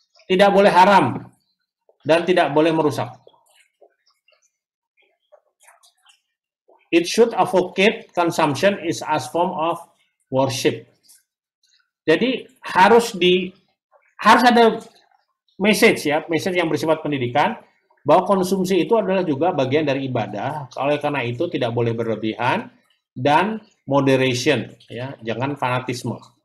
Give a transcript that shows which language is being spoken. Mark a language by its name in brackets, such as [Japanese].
[Indonesian] Tidak boleh haram dan tidak boleh merusak. [English] It should advocate consumption is as form of worship. [Indonesian] Jadi harus ada message ya, message yang bersifat pendidikan. Bahwa konsumsi itu adalah juga bagian dari ibadah, oleh karena itu tidak boleh berlebihan dan moderation ya, jangan fanatisme.